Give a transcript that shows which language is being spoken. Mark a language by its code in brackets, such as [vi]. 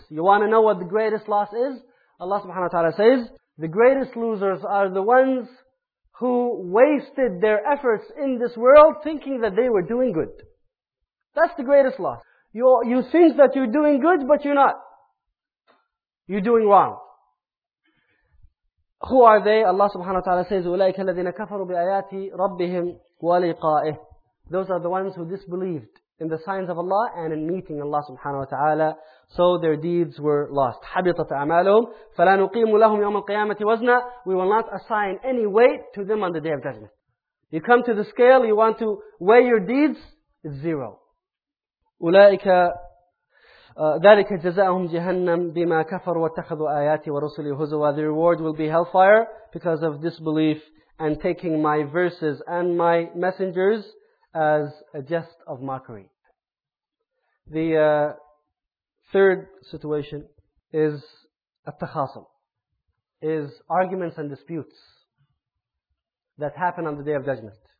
[en] You want to know what the greatest loss is? Allah subhanahu wa ta'ala says, the greatest losers are the ones who wasted their efforts in this world thinking that they were doing good. That's the greatest loss. You think that you're doing good, but you're not. You're doing wrong. Who are they? Allah subhanahu wa ta'ala says, [ar] أُولَٰئِكَ الَّذِينَ كَفَرُوا بِآيَاتِ رَبِّهِمْ وَلِقَائِهِ. [en] Those are the ones who disbelieved in the signs of Allah and in meeting Allah subhanahu wa ta'ala. So their deeds were lost. [ar] حَبِطَتْ أَعْمَالُهُمْ فَلَا نُقِيمُ لَهُمْ يَوْمَ الْقِيَامَةِ وَزْنَا. [en] We will not assign any weight to them on the Day of Judgment. You come to the scale, you want to weigh your deeds, it's zero. [ar] أُولَٰئِكَ ذلك جزاؤهم جهنم بما كفروا واتخذوا آياتي ورسلي هزوا. [en] The reward will be hellfire because of disbelief and taking my verses and my messengers as a jest of mockery. The third situation is التخاصم, is arguments and disputes that happen on the Day of Judgment.